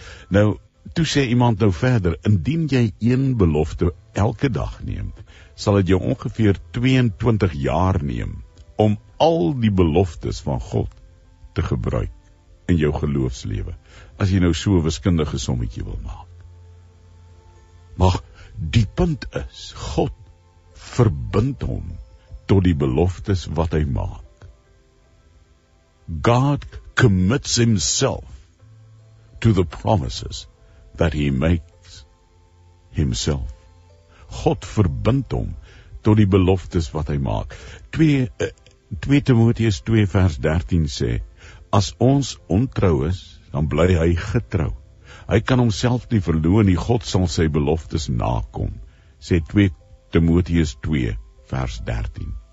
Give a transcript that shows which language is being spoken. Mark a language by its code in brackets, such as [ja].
[af] Nou, toe sê iemand nou verder, indien jy een belofte elke dag neemt, sal het jou ongeveer 22 jaar neem om al die beloftes van God te gebruik in jou geloofslewe, as jy nou so 'n wiskundige sommetjie wil maak. Maar die punt is, God verbind hom tot die beloftes wat hy maak. [en] God commits himself to the promises that he makes himself. [af] God verbind hom tot die beloftes wat hy maak. 2 Timoteus 2 vers 13 sê, as ons ontrou is, dan bly hy getrou. Hy kan homself nie verloon nie, God sal sy beloftes nakom, sê 2 Timoteus 2 vers 13.